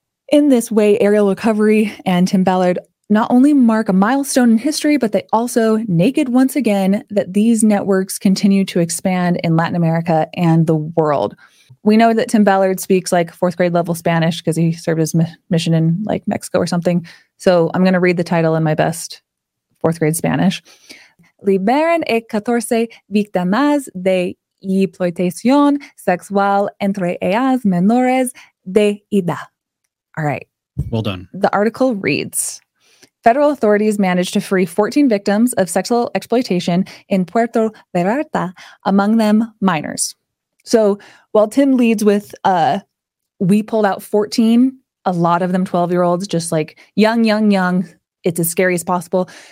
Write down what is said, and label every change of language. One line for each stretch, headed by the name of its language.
English: In this way, Ariel Recovery and Tim Ballard not only mark a milestone in history, but they also naked once again that these networks continue to expand in Latin America and the world. We know that Tim Ballard speaks like fourth grade level Spanish because he served his mission in like Mexico or something. So I'm going to read the title in my best fourth grade Spanish.
Spanish: Liberan a 14 víctimas de explotación sexual entre ellas menores de edad.
English: All right. Well done. The article reads, federal authorities managed to free 14 victims of sexual exploitation in Puerto Vallarta, among them minors. So while Tim leads with, we pulled out 14, a lot of them 12-year-olds, just like young, it's as scary as possible.